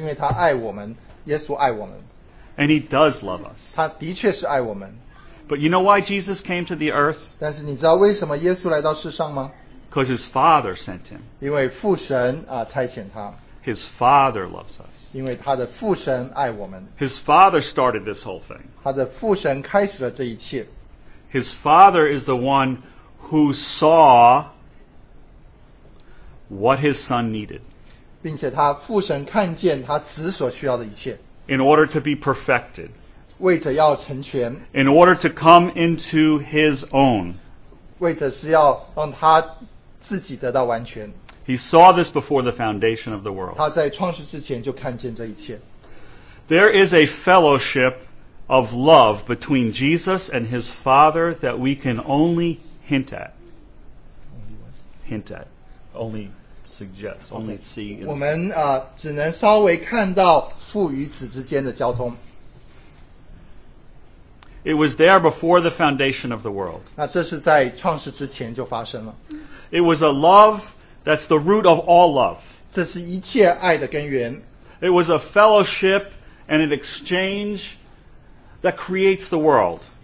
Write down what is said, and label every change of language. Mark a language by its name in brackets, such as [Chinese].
[Chinese] 我常常觉得说耶稣来拯救我们是因为他爱我们,耶稣爱我们。 [English] And he does love us. [Chinese] 他的确是爱我们。 [English] But you know why Jesus came to the earth? [Chinese] 但是你知道为什么耶稣来到世上吗? [English] Because his Father sent him. [Chinese] 因为父神差遣他。 [English] His Father loves us. [Chinese] 因为他的父神爱我们。 [English] His Father started this whole thing. [Chinese] 他的父神开始了这一切。 [English] His Father is the one who saw what his Son needed. [Chinese] 并且他父神看见他子所需要的一切。 [English] In order to be perfected. [Chinese] 为着要成全。 [English] In order to come into his own. [Chinese] 为着是要让他自己得到完全。 [English] He saw this before the foundation of the world. [Chinese] 他在创世之前就看见这一切。 [English] There is a fellowship of love between Jesus and his Father that we can only hint at. Hint at. Only suggest. Only see. [Chinese] 我们, 只能稍微看到父与子之间的交通。 [English] It was there before the foundation of the world. [Chinese] 那这是在创世之前就发生了。 [English] It was a love that's the root of all love. [Chinese] 这是一切爱的根源。 [English] It was a fellowship and an exchange that creates the world.